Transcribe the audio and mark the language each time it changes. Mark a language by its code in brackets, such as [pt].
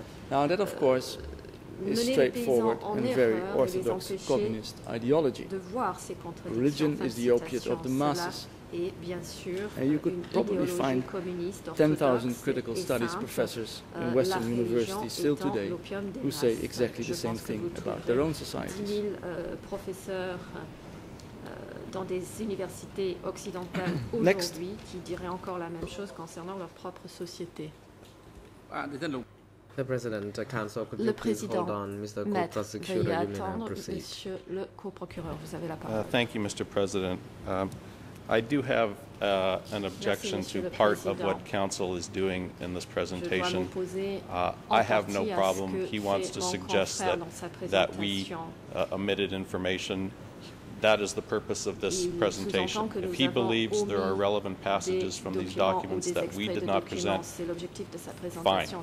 [en] Now, that, of course, is straightforward and very orthodox communist ideology. Religion is the opiate of the masses, [fr] et bien sûr [en] and you could probably find 10,000 critical studies professors in Western universities still today who say exactly the same thing about their own societies. [fr] 10,000 professeurs dans des universités occidentales aujourd'hui qui diraient encore la même chose concernant leur propre société. [en] The President, the Council, could you please hold on, Mr. Co-Prosecutor, you may now proceed. [fr] Monsieur le Co-Procureur, vous avez la parole. [en] Thank you, Mr. President. I do have an objection [fr] Merci, [en] to part of what Council is doing in this presentation. [fr] Je dois m'opposer [en] I have no problem. He wants to suggest that, that we omitted information. That is the purpose of this presentation. If he believes there are relevant passages from these documents that we did not present, fine.